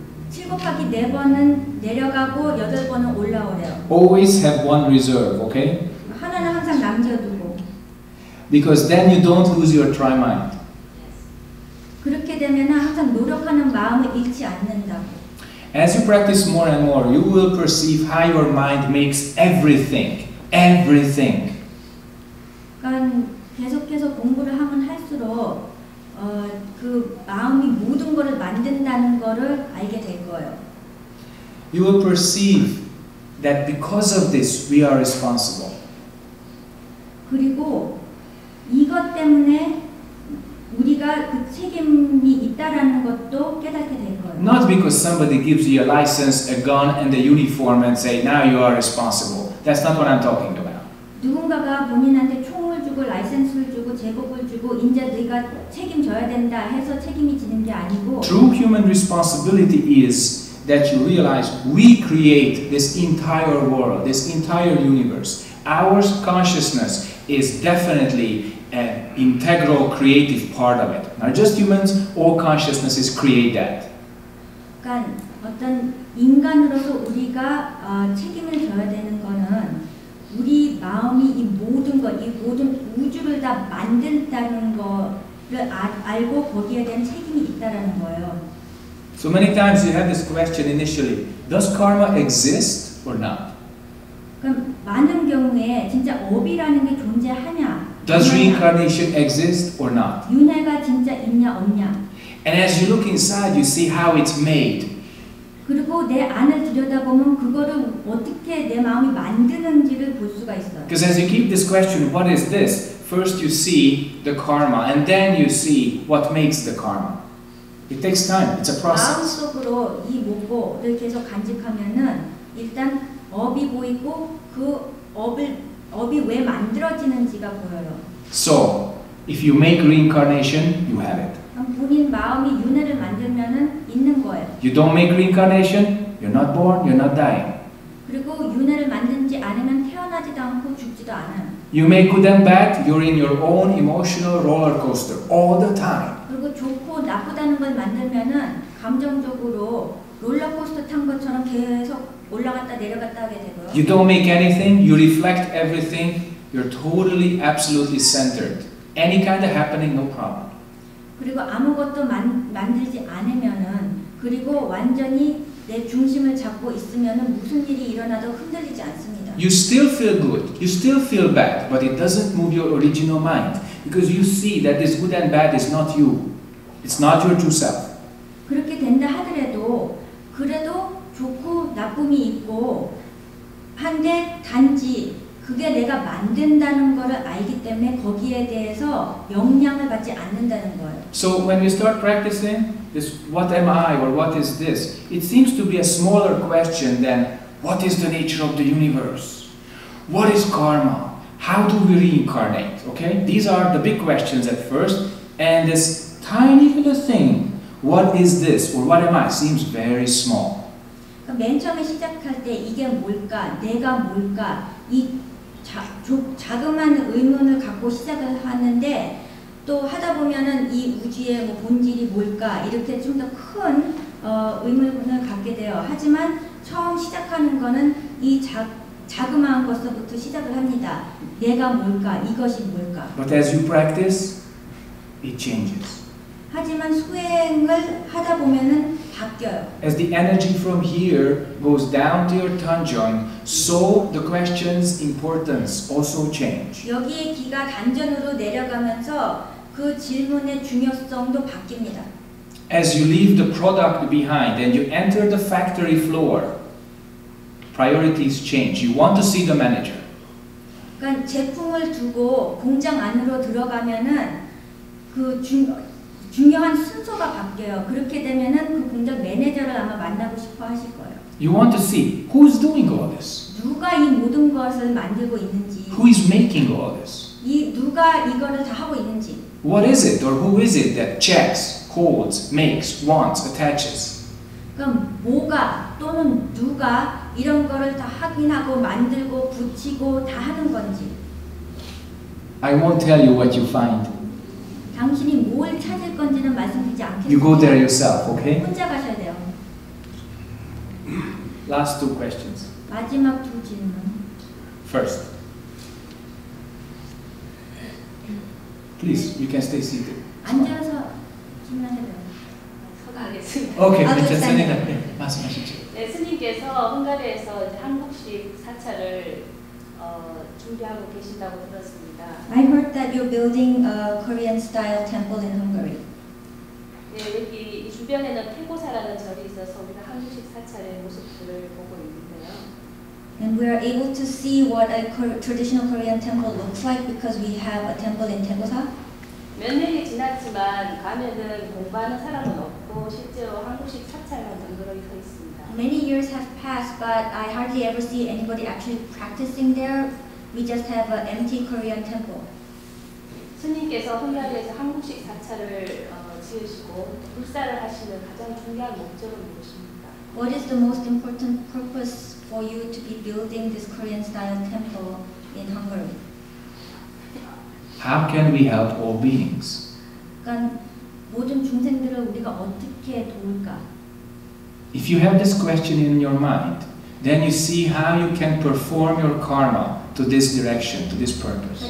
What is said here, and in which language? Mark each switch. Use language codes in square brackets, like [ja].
[ko] 7 곱하기 네 번은 내려가고 여덟 번은 올라오래요. [en] Always have one reserve, okay? [ko] 하나는 항상 남겨두고. [en] Because then you don't lose your try mind. [ko] 그렇게 되면 항상 노력하는 마음을 잃지 않는다고. [en] As you practice more and more, you will perceive how your mind makes everything, everything. [ko] 그러니까 계속해서 공부를 하면 할수록 그 마음이 모든 것을 만든다는 것을 알게 될 거예요. [en] You will perceive that because of this, we are responsible. [ko] 그리고 이것 때문에 우리가 그 책임이 있다라는 것도 깨닫게 될 거예요. [en] Not because somebody gives you a license, a gun, and a uniform and say, now you are responsible. That's not what I'm talking about. [ko] 누군가가 본인한테 총을 주고, 라이센스를 주고, 제복을 주고, 이제 네가 책임져야 된다 해서 책임이 지는 게 아니고 [en] True human responsibility is that you realize we create this entire world, this entire universe. Our consciousness is definitely an integral creative part of it. Not just humans, all consciousnesses create that. [ko] 그러니까 어떤 인간으로서 우리가 책임을 져야 되는 거는 우리 마음이 이 모든 것, 이 모든 우주를 다 만든다는 거를 알고 거기에 대한 책임이 있다라는 거예요. [en] So many times you have this question initially, does karma exist or not? [ko] 그럼 많은 경우에 진짜 업이라는 게 존재하냐? [en] Does reincarnation exist or not? [ko] 윤회가 진짜 있냐 없냐? [en] And as you look inside, you see how it's made. [ko] 그리고 내 안을 들여다보면 그거를 어떻게 내 마음이 만드는지를 볼 수가 있어요. [en] Because as you keep this question, what is this? First you see the karma, and then you see what makes the karma. It takes time. It's a process. [ko] 마음속으로 이 목표를 계속 간직하면은 일단 업이 보이고 그 업이 왜 만들어지는지가 보여요. [en] So, if you make reincarnation, you have it. [ko] 본인 마음이 윤회를 만들면은 있는 거예요. [en] You don't make reincarnation, you're not born, you're not dying. [ko] 그리고 윤회를 만들지 않으면 태어나지도 않고 죽지도 않아요. [en] You make good and bad, you're in your own emotional roller coaster all the time. [ko] 그리고 좋고 나쁘다는 걸 만들면은 감정적으로 롤러코스터 탄 것처럼 계속 올라갔다 내려갔다 하게 되고요. [en] You don't make anything, you reflect everything, you're totally, absolutely centered. Any kind of happening, no problem. [ko] 그리고 아무것도 만들지 않으면은 그리고 완전히 내 중심을 잡고 있으면은 무슨 일이 일어나도 흔들리지 않습니다. [en] You still feel good, you still feel bad, but it doesn't move your original mind. Because you see that this good and bad is not you. It's not your true self. [ko] 그렇게 된다 하더라도 그래도 좋고 나쁨이 있고 한데 단지 그게 내가 만든다는 것을 알기 때문에 거기에 대해서 영향을 받지 않는다는 거예요. [en] So when you start practicing this what am I or what is this, it seems to be a smaller question than what is the nature of the universe? What is karma? How do we reincarnate? Okay? These are the big questions at first, and this tiny little thing, what is this or what am I, seems very small. [ko] 맨 처음에 시작할 때 이게 뭘까, 내가 뭘까, 이 자그마한 의문을 갖고 시작을 하는데 또 하다 보면은 이 우주의 뭐 본질이 뭘까 이렇게 좀 더 큰 의문을 갖게 돼요. 하지만 처음 시작하는 거는 이 자그마한 것서부터 시작을 합니다. 내가 뭘까, 이것이 뭘까. [en] But as you practice, it changes. [ko] 하지만 수행을 하다 보면은 바뀌어요. [en] As the energy from here goes down to your tongue joint, so the question's importance also change. [ko] 여기에 기가 단전으로 내려가면서 그 질문의 중요성도 바뀝니다. [en] As you leave the product behind and you enter the factory floor, priorities change. You want to see the manager. [ko] 그러니까 제품을 두고 공장 안으로 들어가면은 그 중요한 순서가 바뀌어요. 그렇게 되면은 그 공장 매니저를 아마 만나고 싶어 하실 거예요. [en] You want to see who's doing all this? [ko] 누가 이 모든 것을 만들고 있는지? [en] Who is making all this? [ko] 이 누가 이거를 다 하고 있는지? [en] What is it or who is it that checks, holds, makes, wants, attaches? [ko] 그럼 뭐가 또는 누가 이런 거를 다 확인하고 만들고 붙이고 다 하는 건지? [en] I won't tell you what you find. [ko] 당신이 뭘 찾을 건지는 말씀드리지 않겠어요. [en] You go there yourself, okay? [ko] 혼자 가셔야 돼요. [en] Last two questions. [ko] 마지막 두 질문. [en] First. Please, you can stay seated. [ko] 앉아서 질문하세요. 서가겠습니다. Okay, 괜찮습니다. 네, 말씀하시죠. 네, 스님께서 헝가리에서 한국식 사찰을 준비하고 계신다고 들었습니다. [en] I heard that you're building a Korean style temple in Hungary. [ko] 네, 여기 주변에는 태고사라는 절이 있어서 우리가 한국식 사찰의 모습들을 보고 있는데요. [en] And we are able to see what a traditional Korean temple looks like because we have a temple in 태고사. [ko] 몇 년이 지났지만 가면은 공부하는 사람은 없고 실제로 한국식 사찰만 만들어 있습니다. [en] Many years have passed, but I hardly ever see anybody actually practicing there. We just have an empty Korean temple. [ko] 스님께서 헝가리에서 한국식 사찰을 지으시고 불사를 하시는 가장 중요한 목적은 무엇입니까? [en] What is the most important purpose for you to be building this Korean style temple in Hungary? How can we help all beings? [ko] 그러니까 모든 중생들을 우리가 어떻게 도울까? [en] If you have this question in your mind, then you see how you can perform your karma to this direction, to this purpose.